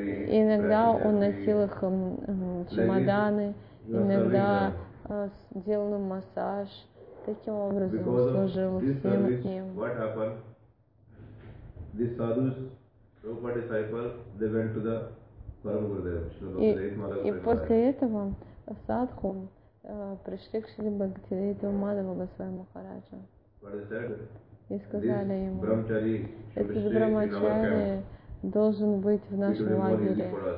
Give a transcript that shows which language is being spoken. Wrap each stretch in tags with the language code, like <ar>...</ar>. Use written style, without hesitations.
<ru>Иногда он носил их чемоданы, иногда делал им массаж, таким образом служил всем им.</ru> <en>What happened? These sadhus, Prabhupada disciples, they went to the Paramgurudev,</en> <ru>и после этого садху пришли к Шри Бхактивиданта Мадхава Госвами Махараджа. И сказали ему, этот брамачари должен быть в нашем лагере.</ru>